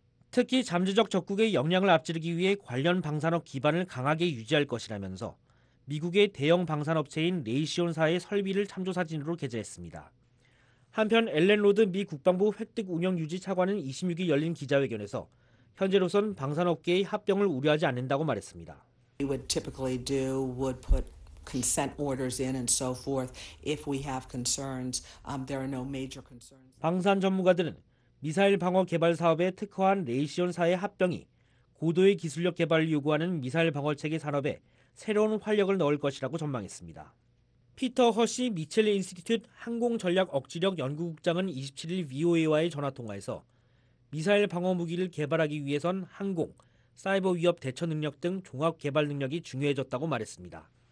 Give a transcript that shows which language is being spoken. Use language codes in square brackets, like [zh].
[ko] 특히 잠재적 적국의 역량을 앞지르기 위해 관련 방산업 기반을 강하게 유지할 것이라면서 미국의 대형 방산업체인 레이시온사의 설비를 참조사진으로 게재했습니다. 한편 엘렌 로드 미 국방부 획득 운영 유지 차관은 26일 열린 기자회견에서 현재로선 방산업계의 합병을 우려하지 않는다고 말했습니다. [en] We would typically do would put consent orders in and so forth if we have concerns. There are no major concerns. [ko] 방산 전문가들은 미사일 방어 개발 사업에 특화한 레이시온사의 합병이 고도의 기술력 개발을 요구하는 미사일 방어 체계 산업에 새로운 활력을 넣을 것이라고 전망했습니다. 피터 허시 미첼 인스티튜트 항공전략억지력 연구국장은 27일 VOA와의 전화통화에서 미사일 방어 무기를 개발하기 위해선 항공, 사이버 위협 대처 능력 등 종합 개발 능력이 중요해졌다고 말했습니다.